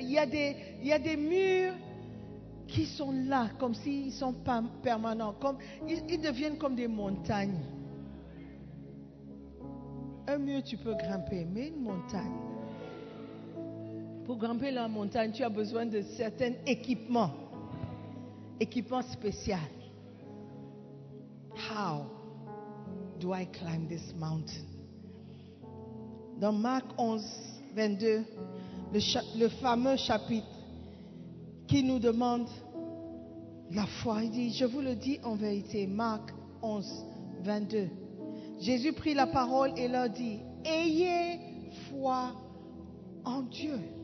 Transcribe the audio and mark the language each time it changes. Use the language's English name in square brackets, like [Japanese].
[French] Il y a des murs qui sont là, comme s'ils sont permanents. Comme, ils deviennent comme des montagnes. Un mur, tu peux grimper, mais une montagne. Pour grimper la montagne, tu as besoin de certains équipements. Équipements spéciaux. [English] How do I climb this mountain? [French] Dans Marc 11, 22, le fameux chapitre qui nous demande la foi. Il dit, je vous le dis en vérité, Marc 11, 22. Jésus prit la parole et leur dit, ayez foi en Dieu.